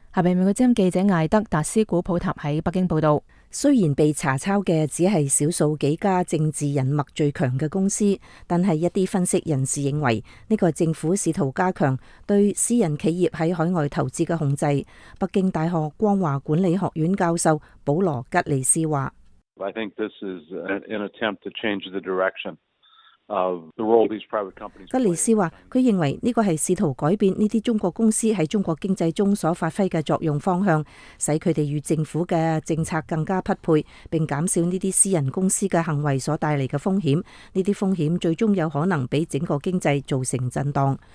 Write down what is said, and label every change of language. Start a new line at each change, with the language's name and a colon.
Chinese: 下面美国之音记者艾德达斯古普塔在北京报道。虽然被查抄的只是少数几家政治人脉最强的公司，但是一些分析人士认为，这个政府试图加强对私人企业在海外投资的控制。北京大学光华管理学院教授保罗吉利斯说，
English: I think this is an attempt to change the direction of the role these private companies play.
Chinese: 吉利斯说，他认为这个是试图改变这些中国公司在中国经济中所发挥的作用方向，使他们与政府的政策更加匹配，并减少这些私人公司的行为所带来的风险。这些风险最终有可能被整个经济造成震荡。